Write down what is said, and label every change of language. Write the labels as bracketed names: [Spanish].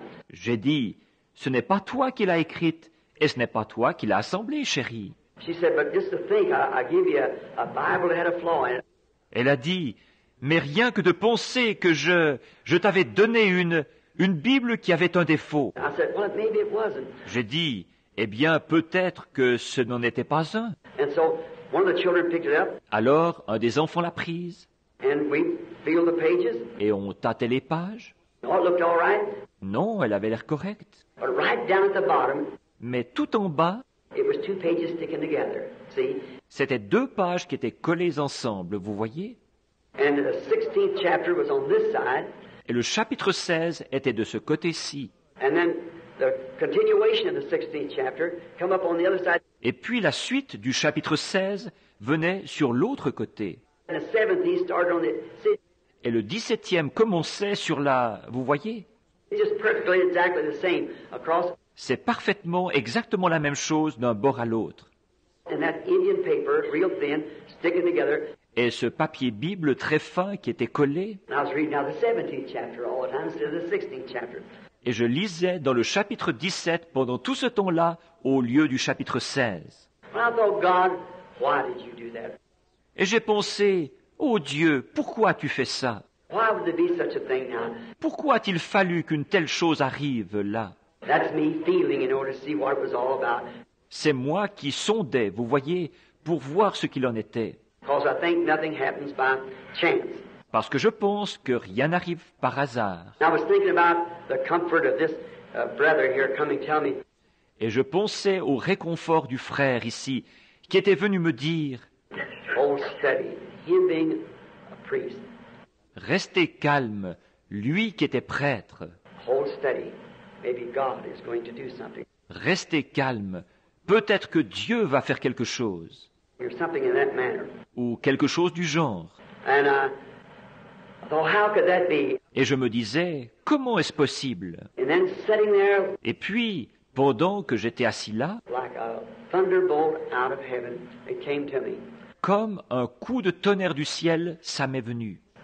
[French] J'ai dit, ce n'est pas toi qui l'as écrite et ce n'est pas toi qui l'as assemblée, chérie. [English] She said, but just to think, I gave you a Bible that had a flaw in it. [French] Elle a dit, mais rien que de penser que je t'avais donné une Bible qui avait un défaut. [English] I said, well, maybe it wasn't. [French] J'ai dit, eh bien, peut-être que ce n'en était pas un. [English] And so, one of the children picked it up. [French] Alors, un des enfants l'a prise. [English] And we feel the pages. [French] Et on tâtait les pages. [English] No, it looked all right. [French] Non, elle avait l'air correcte. [English] But right down at the bottom, [French] mais tout en bas, [English] it was two pages sticking together. See? [French] C'était deux pages qui étaient collées ensemble, vous voyez? [English] And the 16th chapter was on this side. [French] Et le chapitre 16 était de ce côté-ci. [English] And then the continuation of the 16th chapter came up on the other side. [French] Et puis la suite du chapitre 16 venait sur l'autre côté. [English] And the 17th started on the... See? [French] Et le 17e commençait sur la... Vous voyez? [English] It's just perfectly exactly the same across. [French] C'est parfaitement exactement la même chose d'un bord à l'autre. [English] And that Indian paper, real thin, sticking together. [French] Et ce papier Bible très fin qui était collé. [English] And I was reading now the 17th chapter all the time instead of the 16th chapter. [French] Et je lisais dans le chapitre 17 pendant tout ce temps-là au lieu du chapitre 16. [English] Well, I thought, God, why did you do that? [French] Et j'ai pensé, oh Dieu, pourquoi as-tu fait ça? [English] Why would there be such a thing now? [French] Pourquoi a-t-il fallu qu'une telle chose arrive là? [English] That's me feeling in order to see what it was all about. [French] C'est moi qui sondais, vous voyez, pour voir ce qu'il en était. [English] Because I think nothing happens by chance. [French] Parce que je pense que rien n'arrive par hasard. [English] I was thinking about the comfort of this brother here coming to tell me. [French] Et je pensais au réconfort du frère ici qui était venu me dire. [English] Oh, steady, him being a priest. [French] Restez calme, lui qui était prêtre. [English] Hold steady. Maybe God is going to do something. [French] Restez calme. Peut-être que Dieu va faire quelque chose. [English] Or something in that manner. [French] Ou quelque chose du genre. [English] And, how could that be? [French] Et je me disais, comment est-ce possible? [English] And then sitting there, [French] et puis, pendant que j'étais assis là, [English] like a thunderbolt out of heaven, it came to me. [French] Comme un coup de tonnerre du ciel, ça m'est venu.